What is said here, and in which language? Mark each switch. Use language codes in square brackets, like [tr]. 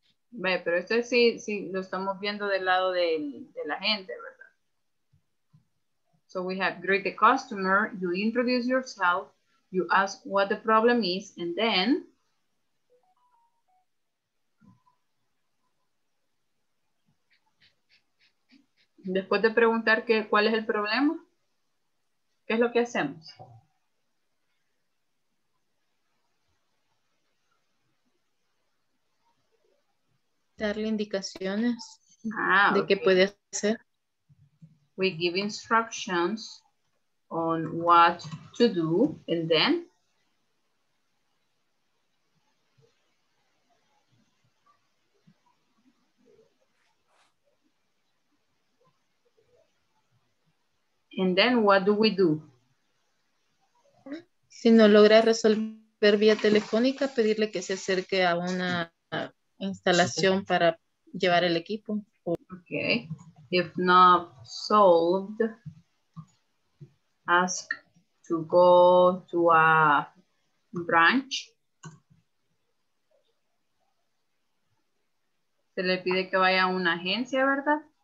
[es] Ve, pero esto sí, sí lo estamos viendo del lado de la gente, ¿verdad? [en] So we have greet the customer, you introduce yourself, you ask what the problem is, and then... [es] Después de preguntar que, cuál es el problema, ¿qué es lo que hacemos? Darle indicaciones de qué puede hacer. [en] We give instructions on what to do and then. And then what do we do? [es] Si no logra resolver vía telefónica, pedirle que se acerque a una instalación para llevar el equipo. Okay. [en] If not solved, ask to go to a branch. [es] Se le pide que vaya a una agencia, ¿verdad?